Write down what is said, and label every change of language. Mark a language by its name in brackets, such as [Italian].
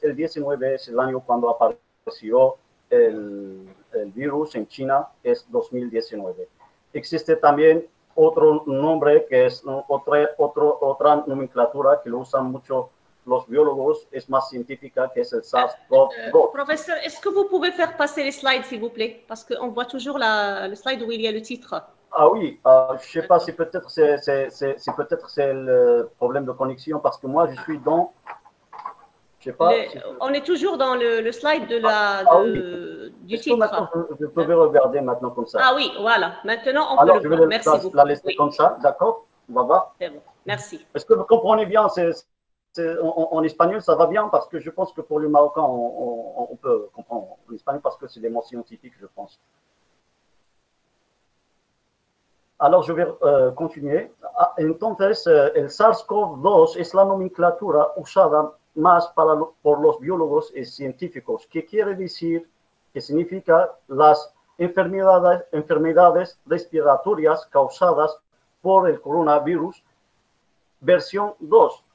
[Spanish] El 19 es el año cuando apareció el virus en China, es 2019. Existe también otro nombre que es otra nomenclatura que lo usan mucho los biólogos, es más científica, que es el SARS-CoV-2. [French] Profesor, ¿es que vous pouvez faire passer les slides, s'il vous plaît? Parce qu'on voit toujours le slide où il y a le titre. Ah oui, je sais pas si peut-être c'est le problème de connexion, parce que moi je suis dans, je sais pas. On est toujours dans le slide de du titre. Je peux regarder maintenant comme ça. Ah oui, voilà. Maintenant on peut le voir. Merci beaucoup. La laisser comme ça, d'accord? On va voir. C'est bon. Merci. Est-ce que vous comprenez bien? En espagnol ça va bien, parce que je pense que pour les Marocains on peut comprendre en espagnol, parce que c'est des mots scientifiques, je pense. Alors, je vais continuer. [Spanish] Entonces, el SARS-CoV-2 es la nomenclatura usada más por los biólogos y científicos. ¿Qué quiere decir? Que significa las enfermedades respiratorias causadas por el coronavirus versión 2.